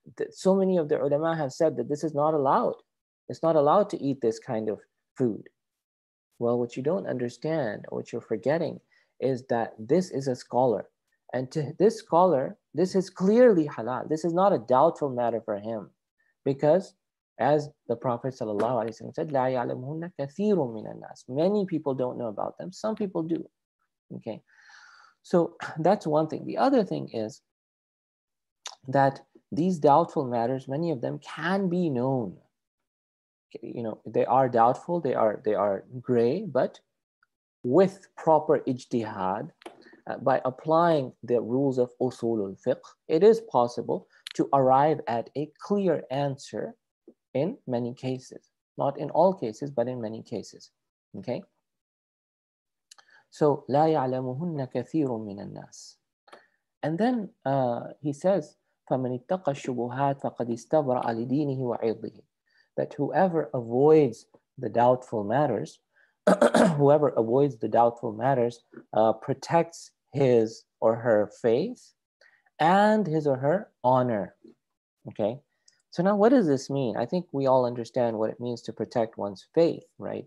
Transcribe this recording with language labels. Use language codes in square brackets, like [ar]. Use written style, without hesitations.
[en] So many of the ulama have said that this is not allowed. It's not allowed to eat this kind of food. Well, what you don't understand, what you're forgetting, is that this is a scholar. And to this scholar, this is clearly halal. This is not a doubtful matter for him. Because as the Prophet ﷺ said, [ar] لَا يَعْلَمُهُنَّ كَثِيرٌ مِنَ النَّاسِ. [en] Many people don't know about them. Some people do. Okay. So that's one thing. The other thing is that these doubtful matters, many of them can be known. You know, they are doubtful, they are gray, but with proper ijtihad, by applying the rules of usul al-fiqh, it is possible to arrive at a clear answer in many cases. Not in all cases, but in many cases. Okay? So, [ar] لَا يَعْلَمُهُنَّ كَثِيرٌ مِّنَ النَّاسِ. [en] And then he says, [ar] فَمَنِ اتَّقَ الشُّبُهَاتِ فَقَدِ اسْتَبْرَأَ لِدِينِهِ وَعِرْضِهِ. [en] That whoever avoids the doubtful matters, whoever avoids the doubtful matters, protects his or her faith and his or her honor. Okay. So now what does this mean? I think we all understand what it means to protect one's faith, right?